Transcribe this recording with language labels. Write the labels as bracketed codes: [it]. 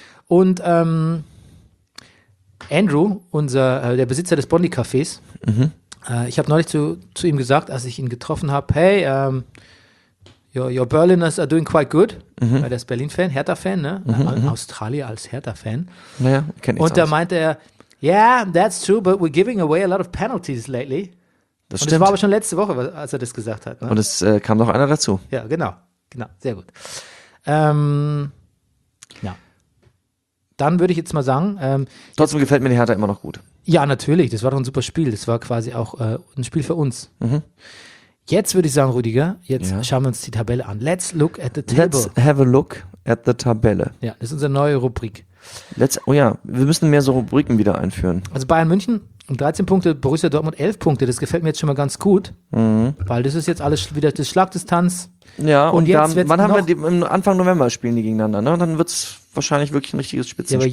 [de] Und Andrew, der Besitzer des Bondi-Cafés, ich habe neulich zu ihm gesagt, als ich ihn getroffen habe: [en] Hey, your Berliners are doing quite good. [de] Mhm. Weil der ist Berlin-Fan, Hertha-Fan, ne? Australier als Hertha-Fan. Naja, kenn ich. Und da meinte er: [en] Yeah, that's true, but we're giving away a lot of penalties lately. [de] Das und stimmt. Das war aber schon letzte Woche, als er das gesagt hat. Ne? Und es kam noch einer dazu. Ja, genau. Genau, sehr gut. Ja. Dann würde ich jetzt mal sagen. Trotzdem jetzt, gefällt mir die Hertha immer noch gut. Ja, natürlich. Das war doch ein super Spiel. Das war quasi auch ein Spiel für uns. Mhm. Jetzt würde ich sagen, Rüdiger, jetzt schauen wir uns die Tabelle an. [en] Let's look at the table. Let's have a look at the Tabelle. [de] Ja, das ist unsere neue Rubrik. Wir müssen mehr so Rubriken wieder einführen. Also Bayern München 13 Punkte, Borussia Dortmund 11 Punkte. Das gefällt mir jetzt schon mal ganz gut, weil das ist jetzt alles wieder das Schlagdistanz. Ja, und jetzt da, wann haben wir im Anfang November spielen die gegeneinander, ne? Und dann wird es wahrscheinlich wirklich ein richtiges Spitzenspiel.